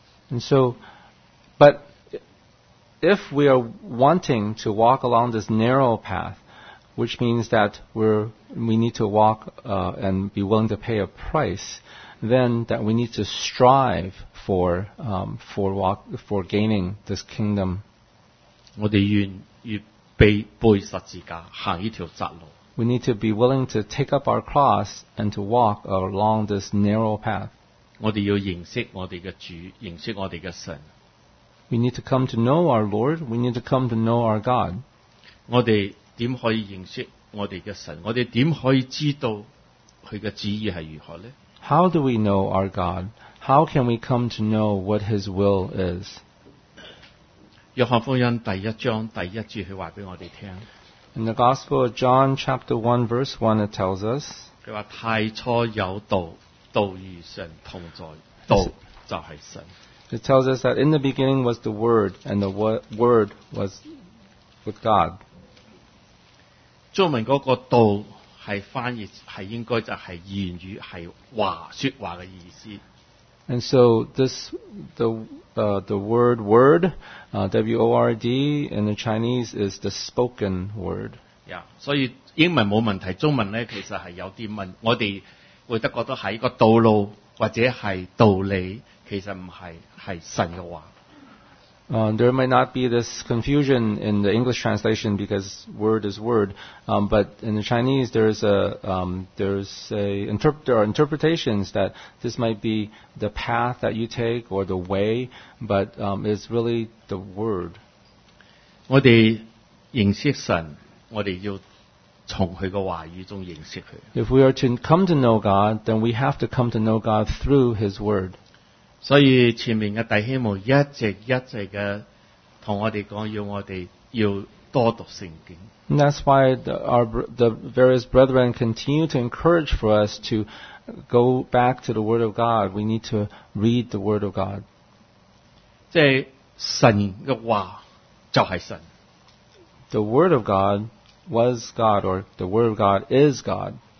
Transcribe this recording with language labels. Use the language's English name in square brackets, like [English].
[English] And so, but if we are wanting to walk along this narrow path, which means that we need to walk and be willing to pay a price, then that we need to strive for gaining this kingdom. [Chinese] 我们愿意背十字架，行一条窄路。 [English] We need to be willing to take up our cross and to walk along this narrow path. [Chinese] 我们要认识我们的主，认识我们的神。 [English] We need to come to know our Lord. We need to come to know our God. [Chinese] 我们怎么可以认识我们的神，我们怎可以知道他的旨意是如何呢？ [English] How do we know our God? How can we come to know what His will is? [Chinese] 约翰福音第一章第一节，他告诉我们。 [English] In the Gospel of John, chapter 1, verse 1, it tells us, [Chinese] 他说太初有道，道与神同在，道就是神。 [English] It tells us that in the beginning was the Word, and the Word was with God. [Chinese] 中文那个道是翻译，是应该就是言语，是话，说话的意思。 [English] And so this, the word word, W-O-R-D, in the Chinese is the spoken word. [Chinese] Yeah, 所以英文没问题，中文呢其实是有点问，我们会觉得是一个道路或者是道理，其实不是，是神的话。 [English] There might not be this confusion in the English translation because word is word, but in the Chinese there is there are interpretations that this might be the path that you take or the way, but it's really the word. [Chinese] 我们认识神，我们要从他的话语中认识他。 [English] If we are to come to know God, then we have to come to know God through His word. [Chinese] 所以前面的弟兄们一直一直的跟我们说，要我们要多读圣经。 [English] And that's why the various brethren continue to encourage for us to go back to the Word of God. We need to read the Word of God. [Chinese] 即是神的话就是神。 [English] The Word of God was God, or the Word of God is God.